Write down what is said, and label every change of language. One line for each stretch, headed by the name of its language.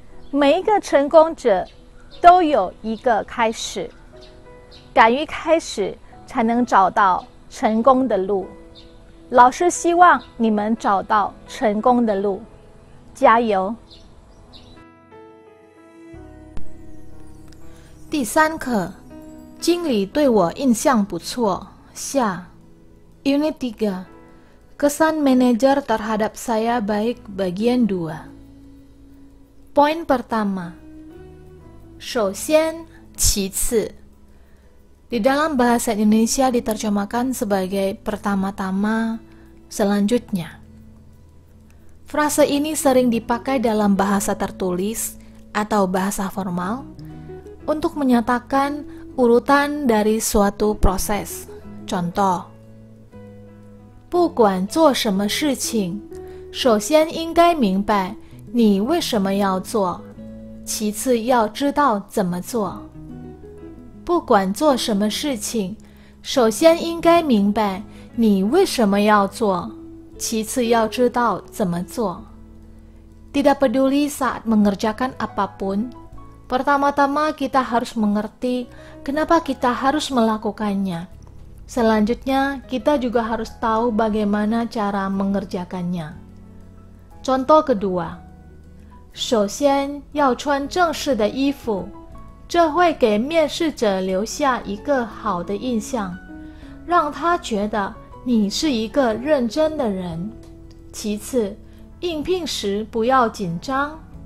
Chinese: 每一个成功者都有一个开始，敢于开始，才能找到成功的路。老师希望你们找到成功的路，加油！第三课，经理对我印象不错。
Indonesian: 下，Unit 3 Kesan manajer terhadap saya baik bagian 2 Poin pertama Shousian, 其次 Di dalam bahasa Indonesia diterjemahkan sebagai pertama-tama, selanjutnya. Frase ini sering dipakai dalam bahasa tertulis atau bahasa formal untuk menyatakan urutan dari suatu proses.
Chinese: Contoh: 不管做什么事情，首先应该明白你为什么要做，其次要知道怎么做。不管做什么事情，首先应该明白你为什么要做，其次要知道怎么做。
Indonesian: Tidak peduli saat mengerjakan apapun, pertama-tama kita harus mengerti kenapa kita harus melakukannya. Selanjutnya, kita juga harus tahu bagaimana cara mengerjakannya. Contoh kedua,
Chinese: 首先要穿正式的衣服，这会给面试者留下一个好的印象，让他觉得你是一个认真的人。其次，应聘时不要紧张。